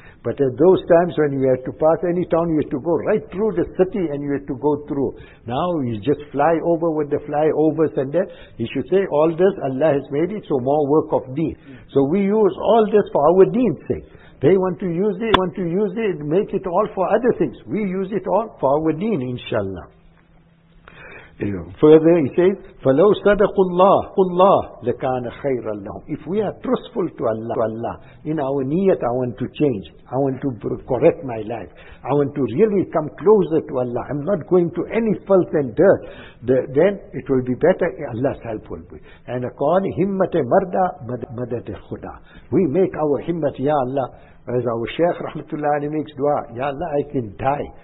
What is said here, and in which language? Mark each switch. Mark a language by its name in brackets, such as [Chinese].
[English] But at those times when you had to pass any town, you had to go right through the city and you had to go through. Now you just fly over with the flyovers and that. He should say, all this Allah has made it, so more work of deen. So we use all this for our deen's sake. They want to use it, make it all for other things. We use it all for our deen, inshallah. Further he says, [Arabic] فَلَوْ صَدَقُ اللَّهُ اللَّهُ لَكَانَ خَيْرًا لَهُمْ. [English] If we are truthful to Allah, in our niyat, I want to change, I want to correct my life, I want to really come closer to Allah, I'm not going to any filth and dirt, then it will be better, Allah's help will be. And according [Persian] himmat-e marda, madad-e khuda. [English] We make our himmat, Ya Allah, as our Shaykh Rahmatullah Ali makes dua, Ya Allah, I can die.